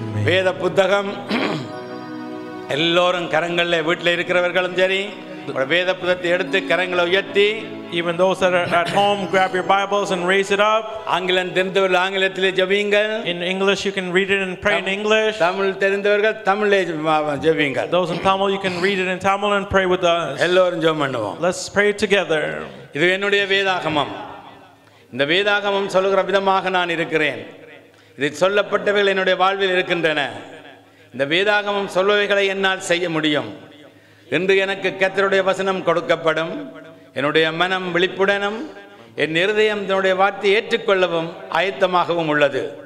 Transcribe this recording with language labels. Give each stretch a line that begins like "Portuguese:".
Tamil: வேத புத்தகம் எல்லோரும் கரங்கள்ல வீட்டில் இருக்கிறவர்களும் சரி, வேத புத்தகத்தை எடுத்து கரங்களை உயர்த்தி,
English: even those that are at home, grab your Bibles and raise it up.
Tamil: ஆங்கிலம் தெரிந்தவர்கள் ஆங்கிலத்தில் ஜெபியுங்கள்.
English: In English you can read it and pray in English.
Tamil: Tamil தெரிந்தவர்கள் தமிழே ஜெபியுங்கள்.
English: Those in Tamil you can read it in Tamil and pray with us.
Tamil: எல்லோரும் ஜெபிப்போம்.
English: Let's pray together.
Tamil: இது என்னுடைய வேதாகமம். இந்த வேதாகமம் சொல்லுகிற விதமாக நான் இருக்கிறேன். இது சொல்லப்பட்டவைகள் என்னுடைய வாழ்வில் இருக்கின்றன. இந்த வேதாகமம் சொல்பவைகளை என்னால் செய்ய முடியும். இன்று எனக்கு கர்த்தருடைய வசனம் கொடுக்கப்படும். என்னுடைய மனம் விழிப்புடனும் என் இருதயம் என்னுடைய வார்த்தை ஏற்றுக்கொள்ளவும் ஆயத்தமாகவும் உள்ளது.